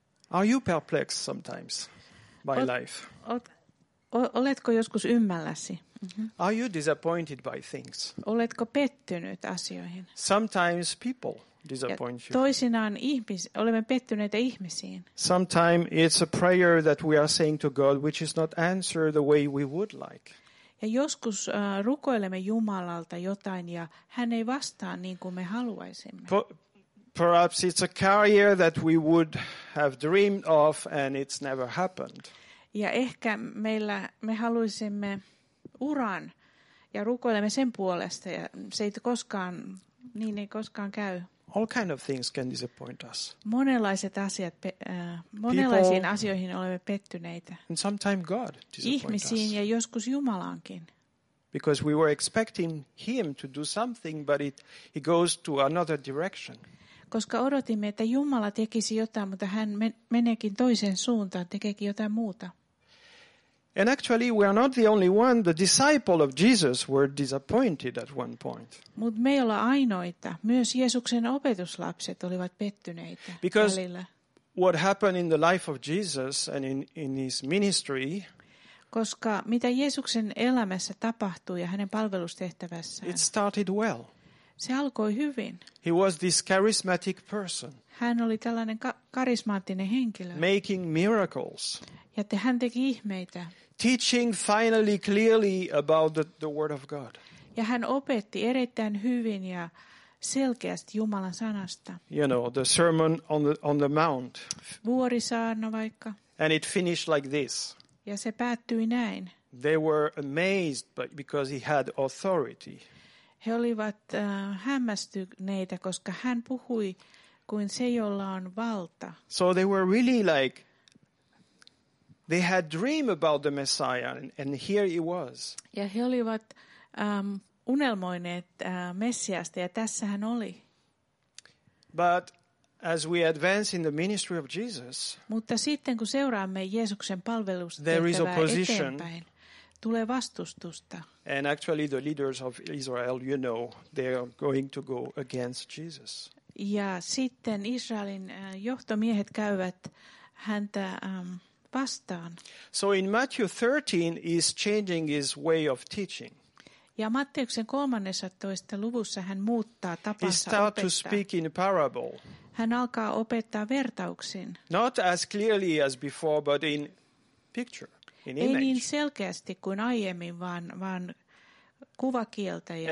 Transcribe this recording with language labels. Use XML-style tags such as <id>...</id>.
<en>Are you perplexed sometimes by life?</en> <fi>Oletko joskus ymmälläsi?</fi> <en>Mm-hmm. Are you disappointed by things?</en> <fi>Oletko pettynyt asioihin?</fi> <en>Sometimes people disappoint you.</en> <fi>Toisinaan olemme pettyneitä ihmisiin.</fi> <en>Sometimes it's a prayer that we are saying to God which is not answered the way we would like.</en> <fi>Ja joskus rukoilemme Jumalalta jotain ja hän ei vastaa niin kuin me haluaisimme.</fi> <en>Perhaps it's a career that we would have dreamed of and it's never happened.</en> <fi>Ja ehkä me haluaisimme uran, ja rukoilemme sen puolesta ja se ei koskaan niin ei koskaan käy.</fi> <en>All kind of things can disappoint us.</en> <fi>Monenlaiset asiat monenlaisiin people, asioihin olemme pettyneitä.</fi> <en>And sometimes God disappoints us.</en> <fi>Ihmisiin ja joskus Jumalaankin.</fi> <en>Because we were expecting him to do something but he goes to another direction.</en> <fi>Koska odotimme että Jumala tekisi jotain mutta hän meneekin toiseen suuntaan, tekeekin jotain muuta.</fi> <en>And actually we are not the only one, the disciple of Jesus were disappointed at one point.</en> <fi>Mut me ei olla ainoita, myös Jeesuksen opetuslapset olivat pettyneitä.</fi> <en>Because</en> <fi>välillä.</fi> <en>What happened in the life of Jesus and in his ministry?</en> <fi>Koska mitä Jeesuksen elämässä tapahtui ja hänen palvelustehtävässään?</fi> <en>It started well.</en> <fi>Se alkoi hyvin.</fi> <en>He was this charismatic person.</en> <fi>Hän oli tällainen karismaattinen henkilö.</fi> <en>Making miracles.</en> <fi>Ja hän teki ihmeitä.</fi> <en>Teaching finally clearly about the word of God.</en> <fi>Ja hän opetti erittäin hyvin ja selkeästi Jumalan sanasta.</fi> <en>You know, the sermon on the mount.</en> <fi>Vuorisaarna vaikka.</fi> <en>And it finished like this.</en> <fi>Ja se päättyi näin.</fi> <en>They were amazed because he had authority.</en> <fi>He olivat hämmästyneitä, koska hän puhui kuin se, jolla on valta.</fi> <en>So they were really like they had dream about the Messiah and here he was.</en> <fi>Ja he olivat unelmoineet Messiasta ja tässä hän oli.</fi> <en>But as we advance in the ministry of Jesus,</en> <fi>mutta sitten kun seuraamme Jeesuksen palvelustehtävää eteenpäin, tulee vastustusta.</fi> <en>And actually the leaders of Israel, you know, they are going to go against Jesus.</en> <fi>Ja sitten Israelin johtomiehet käyvät häntä vastaan.</fi> <en>So in Matthew 13 he's changing his way of teaching.</en> <fi>Ja Matteuksen 13. luvussa hän muuttaa tapansa opettaa.</fi> <en>He starts to speak in parable.</en> <fi>Hän alkaa opettaa vertauksin.</fi> <en>Not as clearly as before, but in picture, in</en> <fi>ei</fi> <en>image.</en> <fi>Niin selkeästi kuin aiemmin, vaan kuvakieltä ja</fi>